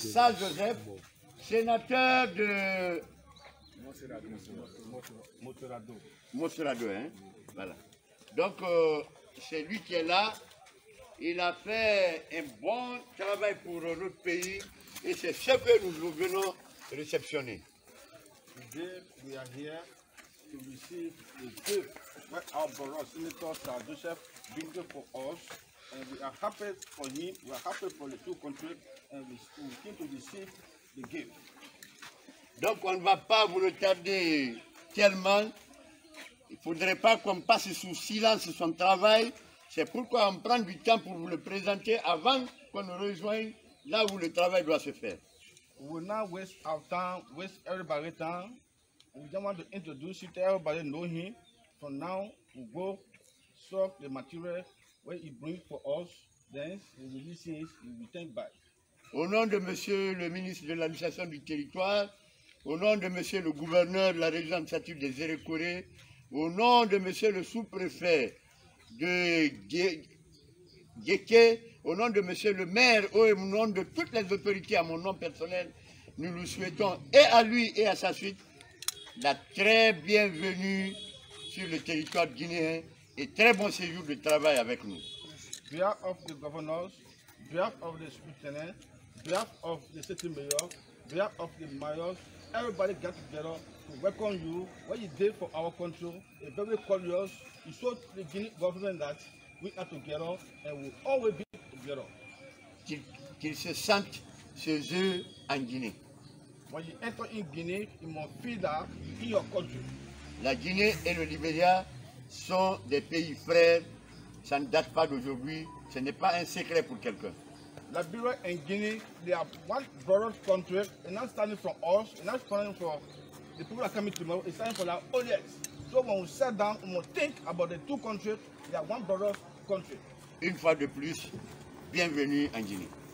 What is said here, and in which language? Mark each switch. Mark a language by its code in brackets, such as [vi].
[fr] Saint Joseph, sénateur de Moserado. Moserado, hein. Voilà. Donc c'est lui qui est là. Il a fait un bon travail pour notre pays et c'est ce que nous venons réceptionner. [en] Today we are here to receive the gift that our brother Senator Charles Joseph bring for us, and we are happy for him. We are happy for the two countries, and we came to receive the gift. [fr] Donc on ne va pas vous le tarder tellement. Il ne faudrait pas qu'on passe sous silence son travail. C'est pourquoi on prend du temps pour vous le présenter avant qu'on ne rejoigne là où le travail doit se faire. [en] We will not waste our time, waste everybody's time. We don't want to introduce you to everybody know him. So now we go serve the material where he brings for us. Then we will listen, we will thank back. [fr] Au nom de Monsieur le ministre de l'Administration du Territoire, au nom de Monsieur le gouverneur de la région administrative des Erekoré, au nom de Monsieur le sous-préfet de Gueké, au nom de Monsieur le maire, au nom de toutes les autorités, à mon nom personnel, nous lui souhaitons, et à lui et à sa suite, la très bienvenue sur le territoire guinéen et très bon séjour de travail avec nous. [en] Behalf of the governors, behalf of the superintendent, behalf of the city mayor, behalf of the mayor, everybody got together to welcome you, what you did for our country, a very courteous. He showed the Guinea government that we are together and we will always be together. [fr] Qu'il se sente chez eux en Guinée. [en] When you enter in Guinea, you must feel that in your country. [fr] La Guinée et le Libéria sont des pays frères. Ça ne date pas d'aujourd'hui. Ce n'est pas un secret pour quelqu'un. [en] Liberia and Guinea, they are one brother country, and not standing from us, and not standing for the people that are coming tomorrow, it's standing for our audience. So when we sit down, we must think about the two countries, they are one brother country. [fr] Une fois de plus, bienvenue en Guinée.